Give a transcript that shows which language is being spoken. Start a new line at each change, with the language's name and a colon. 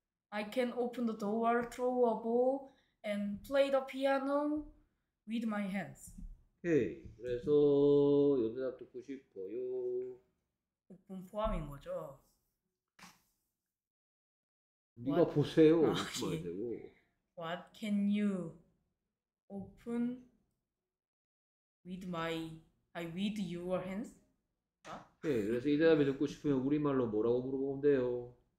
English: I can open the door, throw a ball, and play the piano with my hands.
Korean: 오케이. 그래서 이 대답 듣고 싶어요. 오픈 포함인 거죠. 네가
English: what?
Korean: 보세요. 아, 예.
English: What can you open with my, with your hands? 아?
Korean: 네, 그래서 이 대답이 듣고 싶으면 우리말로 뭐라고 물어보면 돼요?